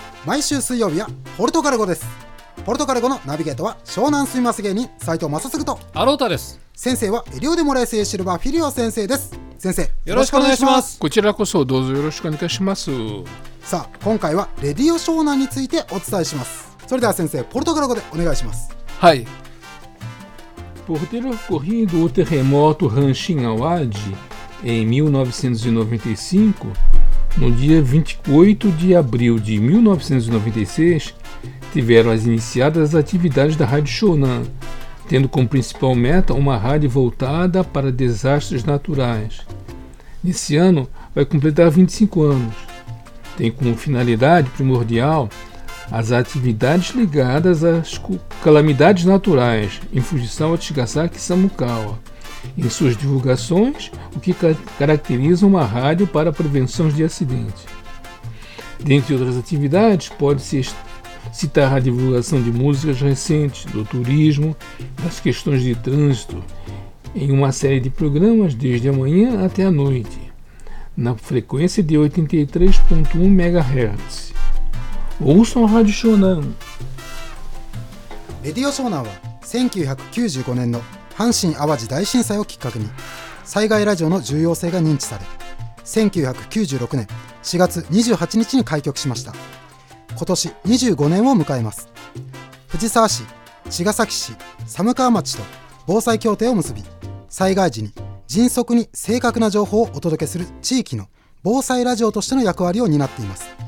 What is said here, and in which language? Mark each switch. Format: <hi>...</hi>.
<ja>毎週水曜日はポルトガル語です。ポルトガル語のナビゲートは湘南水マス芸人斉藤正嗣とアロータです。先生はエリオデモレスエシルバーフィリオ先生です。先生よろしくお願いします。こちらこそどうぞよろしくお願いします。さあ今回はレディオ湘南についてお伝えします。それでは先生ポルトガル語でお願いします。</ja> <pt>はい、Portero ocorrido o terremoto Ranchinhawadi em 1995, no dia 28 de abril de 1996, tiveram as iniciadas atividades da Rádio Shonan, tendo como principal meta uma rádio voltada para desastres naturais. Nesse ano, vai completar 25 anos. Tem como finalidade primordial as atividades ligadas às calamidades naturais em Fujisawa, Chigasaki e Samukawa, em suas divulgações, o que caracteriza uma rádio para prevenção de acidentes. Dentre outras atividades, pode-se citar a divulgação de músicas recentes, do turismo, das questões de trânsito, em uma série de programas desde amanhã até a noite, na frequência de 83.1 MHz. Ouçam a Rádio Shonan.</pt> <ja>Radio Shonan は1995年の阪神淡路大震災をきっかけに災害ラジオの重要性が認知され、1996年4月28日に開局しました。今年25年を迎えます。藤沢市、茅ヶ崎市、寒川町と防災協定を結び、災害時に迅速に正確な情報をお届けする地域の防災ラジオとしての役割を担っています。</ja>